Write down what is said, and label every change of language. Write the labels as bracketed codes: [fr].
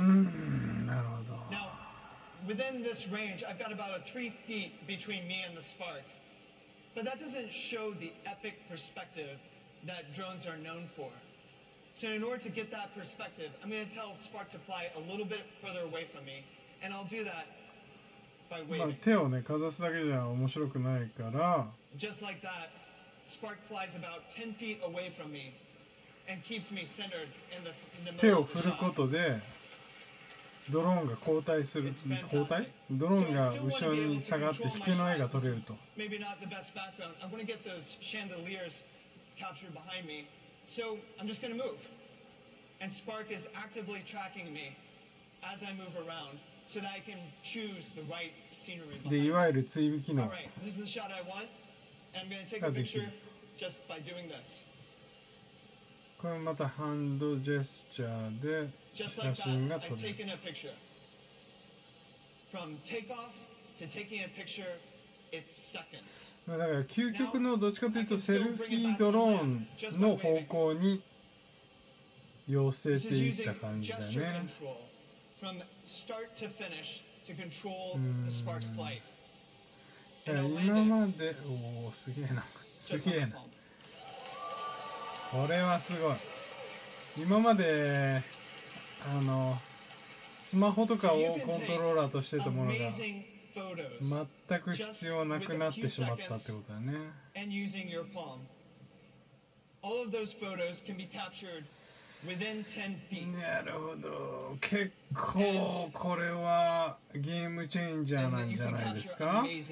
[en] Now, within this range, I've got about 3 feet between me and the spark, but that doesn't show the epic perspective that drones are known for. So in order to get that perspective, I'm going to tell Spark to fly a little bit further away from me, and I'll do that. [ja] まあ、手をねかざすだけじゃ面白くないから。 [en] Just like that, Spark flies about 10 feet away from me and keeps me centered in the middle of the shot. [ja] 手を振ることでドローンが後退する、後退？ドローンが後ろに下がって引けの絵が撮れると。 [en] Maybe not the best background. I'm gonna get those chandeliers captured behind me. So I'm just gonna move. And Spark is actively tracking me as I move around. So that I can choose the right scenery. [ja] で、いわゆる追尾機能。 [en] All right, this is the shot I want, and I'm going to take a picture just by doing this. [ja] これまたハンドジェスチャーで写真が撮れる。 [en] I've taken a picture. From takeoff to taking a picture, it's seconds. [ja] だから究極のどっちかというとセルフィードローンの方向に寄せていった感じだね。 [en] From start to finish to control the Spark's flight. And I landed. [ja] Oh, すげえな、すげえな。これはすごい。今まであのスマホとかをコントローラーとしてたものが全く必要なくなってしまったってことだね。 [en] And using your palm, all of those photos can be captured. Within 10 feet. [ja] なるほど。結構これはゲームチェンジャーなんじゃないですか。